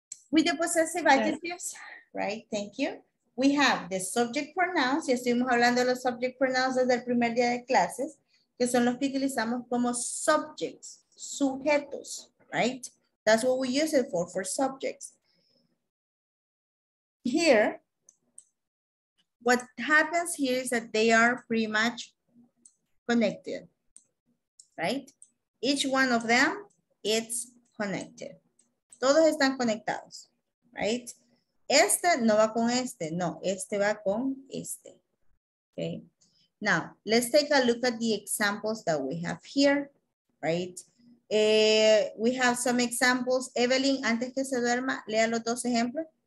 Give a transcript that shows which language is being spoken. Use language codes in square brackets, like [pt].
[en] With the possessive adjectives, right? Thank you. We have the subject pronouns. [es] Ya estuvimos hablando de los subject pronouns desde el primer día de clases, que son los que utilizamos como subjects, sujetos, right? [en] That's what we use it for subjects. Here, what happens here is that they are pretty much connected, right? Each one of them, it's connected. [es] Todos están conectados, [en] right? [es] Este no va con este, no, este va con este, okay? [en] Now, let's take a look at the examples that we have here, right? We have some examples. [es] Evelyn, antes que se duerma, lea los dos ejemplos.